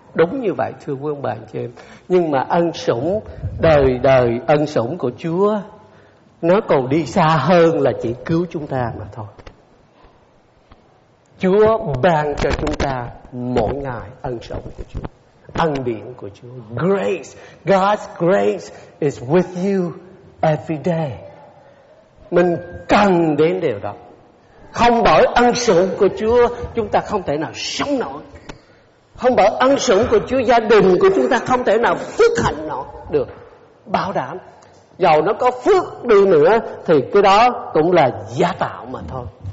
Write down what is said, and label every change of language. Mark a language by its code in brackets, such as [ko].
[vi] Đúng như vậy, thưa quý ông bà anh chị em. Nhưng mà ân sủng đời đời, ân sủng của Chúa, nó còn đi xa hơn là chỉ cứu chúng ta mà thôi. Chúa ban cho chúng ta mỗi ngày ân sủng của Chúa, ân điển của Chúa. [en] Grace, God's grace is with you every day. [vi] Mình cần đến điều đó. Không bởi ân sủng của Chúa, chúng ta không thể nào sống nổi. Không bảo ân sủng của Chúa, gia đình của chúng ta không thể nào phước hạnh nó được. Bảo đảm, dầu nó có phước đi nữa thì cái đó cũng là giả tạo mà thôi.